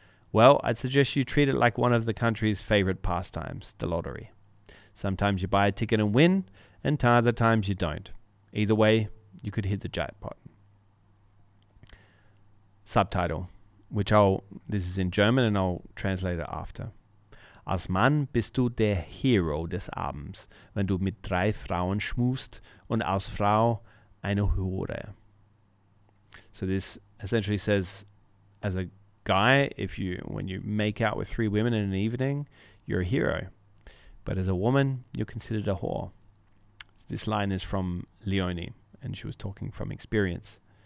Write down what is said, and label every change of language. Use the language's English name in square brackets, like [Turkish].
[English] Well, I'd suggest you treat it like one of the country's favorite pastimes, the lottery. Sometimes you buy a ticket and win, and other times you don't. Either way, you could hit the jackpot. Subtitle, this is in German and I'll translate it after. [German] Als Mann bist du der Hero des Abends, wenn du mit drei Frauen schmust und als Frau eine Hure. [English] So this essentially says, as a guy, when you make out with three women in an evening, you're a hero. But as a woman, you're considered a whore. So this line is from Leone, and she was talking from experience.